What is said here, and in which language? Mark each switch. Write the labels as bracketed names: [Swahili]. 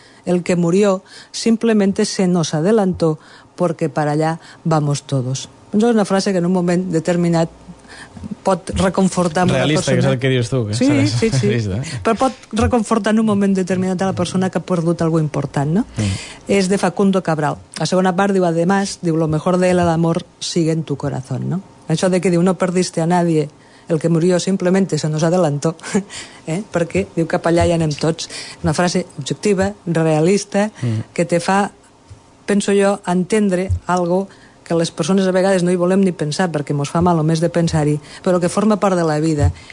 [Spanish] El que murió simplemente se nos adelantó porque para allá vamos todos. [Catalan] Doncs és una frase que en un moment determinat pot reconfortar realista, la persona. Realista, que és el que dius tu. Que sí, sí, sí, sí. Però pot reconfortar en un moment determinat a la persona que ha perdut algo important, no? Mm. És de Facundo Cabral. La segona part diu, además, diu, [Spanish] lo mejor de él, el amor, sigue en tu corazón, [Catalan] no? Això de que diu, [Spanish] no perdiste a nadie, el que murió simplemente se nos adelantó, eh? [Catalan] Perquè diu, cap allà hi anem tots. Una frase objectiva, realista, que te fa, penso jo, entendre algo que les persones a vegades no hi volem ni pensar perquè mos fa mal o més de pensar-hi, però que forma part de la vida.